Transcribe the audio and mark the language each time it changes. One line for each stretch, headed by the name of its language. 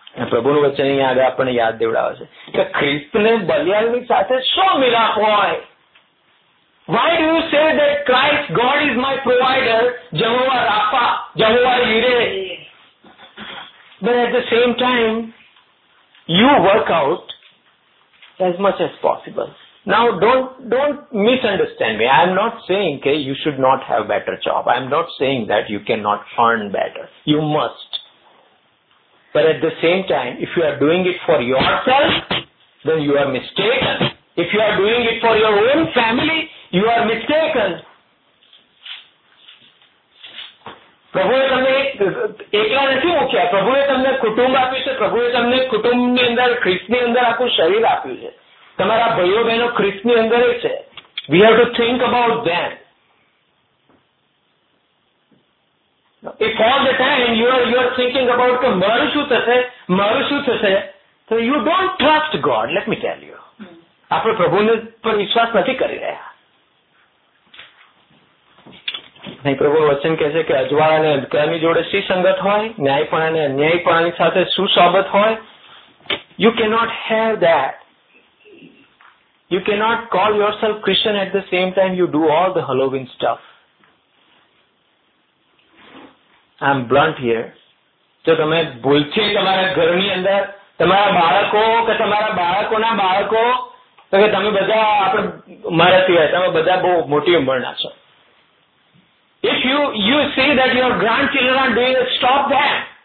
Gujarati: પ્રભુનું વચન અહીંયા આગળ આપણને યાદ દેવડાવે છે કે ખ્રિસ્તને બલિયાળની સાથે શું મિલાપ હોય.
English: Why do you say that Christ God is my provider, Jehovah Rapha, Jehovah Jireh, but at the same time you work out as much as possible. Now, don't misunderstand me. I am not saying okay, you should not have better job. I am not saying that you cannot earn better. You must. But at the same time, if you are doing it for yourself, then you are mistaken. If you are doing it for your own family, you are mistaken.
Gujarati: પ્રભુએ તમને એકલા નથી મૂક્યા, પ્રભુએ તમને કુટુંબ આપ્યું છે, પ્રભુએ તમને કુટુંબની અંદર ખ્રિસ્તની અંદર આખું શરીર આપ્યું છે, તમારા ભાઈઓ બહેનો ખ્રિસ્તની અંદર જ છે.
English: We have to think about them. If all the time you are thinking about
Gujarati: કે મારું શું થશે તો
English: You don't trust God. Let me tell you,
Gujarati: આપણે પ્રભુને પર વિશ્વાસ નથી કરી રહ્યા. નહીં, પ્રભુ વચન કહે છે કે અજવાળા અને અંધકારની જોડે શી સંગત હોય, ન્યાયપણા અને અન્યાયપણાની સાથે શું સોબત હોય.
English: You cannot have that. You cannot call yourself Christian at the same time you do all the Halloween stuff. I am blunt here.
Gujarati: જો તમે ભૂલથી તમારા ઘરની અંદર તમારા બાળકો કે તમારા બાળકોના બાળકો તો કે તમે બધા આપણે મારા સિવાય તમે બધા બહુ મોટી ઉંમરના છો.
English: If you you see that your grand children are doing stop them.